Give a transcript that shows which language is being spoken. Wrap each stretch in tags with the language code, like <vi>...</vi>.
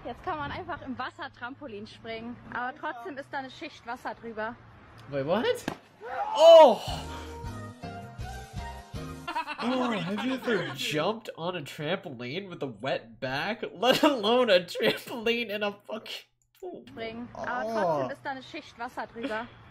<de>Jetzt kann man einfach im Wasser Trampolin springen. Aber trotzdem ist da eine Schicht Wasser drüber.</de> <en>Wait, what? Oh! Oh, have you ever jumped on a trampoline with a wet back? Let alone a trampoline in a fucking pool.</en> <de>Springen. Aber trotzdem ist da eine Schicht Wasser drüber.</de>